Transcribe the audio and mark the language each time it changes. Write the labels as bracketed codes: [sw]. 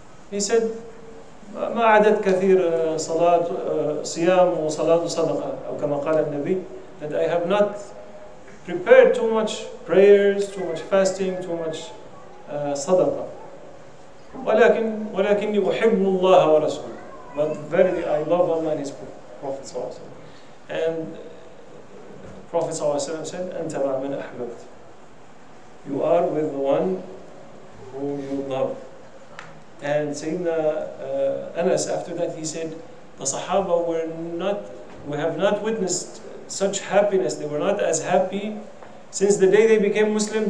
[en] He said, [ar] Ma adat kathir salat, siyam wa salat wa sadaqa, [en] or [ar] kama qala al-Nabi, [en] that I have not prepared too much prayers, too much fasting, too much sadaqa. [ar] ولكن أحب الله ورسوله. [en] But verily, I love Allah and His Prophet صلى الله عليه وسلم. And Prophet صلى الله عليه وسلم said, [ar] أنت مع من أحببت. [en] You are with the one who you love. And Sayyidina Anas, after that, he said, the Sahaba were not, we have not witnessed such happiness. They were not as happy since the day they became Muslim.